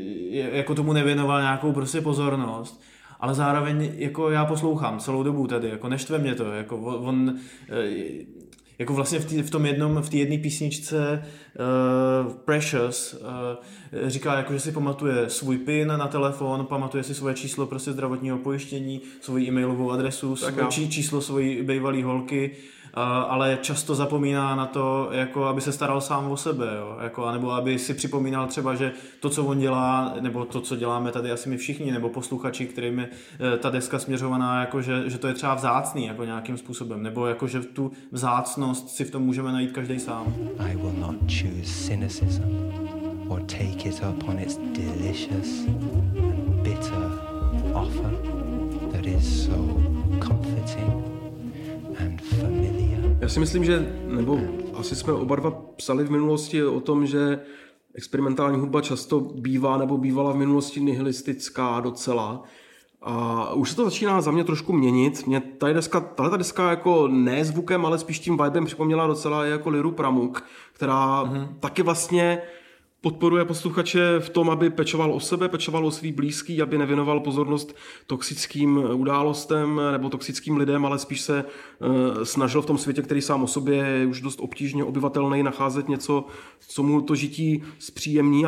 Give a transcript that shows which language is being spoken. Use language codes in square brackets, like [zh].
[cs] jako tomu nevěnoval nějakou prostě pozornost, ale zároveň jako já poslouchám celou dobu tady, jako neštve mě to, jako on jako vlastně v té jedné písničce Precious říká, jako, že si pamatuje svůj PIN na telefon, pamatuje si svoje číslo prostě zdravotního pojištění, svoji e-mailovou adresu, číslo svojí bývalý holky, ale často zapomíná na to, jako aby se staral sám o sebe, jo? Jako, anebo aby si připomínal třeba, že to, co on dělá, nebo to, co děláme tady asi my všichni, nebo posluchači, kterým je ta deska směřovaná, jako, že to je třeba vzácný jako nějakým způsobem, nebo jako, že tu vzácnost si v tom můžeme najít každý sám. [en] I will not choose cynicism or take it upon its delicious and bitter offer. The that is so comforting and familiar. [cs] Já si myslím, že nebo asi jsme oba dva psali v minulosti o tom, že experimentální hudba často bývá nebo bývala v minulosti nihilistická docela. A už se to začíná za mě trošku měnit. Mě tahle deska jako ne zvukem, ale spíš tím vibem připomněla docela jako Liru Pramuk, která taky vlastně podporuje posluchače v tom, aby pečoval o sebe, pečoval o svý blízký, aby nevěnoval pozornost toxickým událostem nebo toxickým lidem, ale spíš se snažil v tom světě, který sám o sobě je už dost obtížně obyvatelný, nacházet něco, co mu to žití zpříjemní.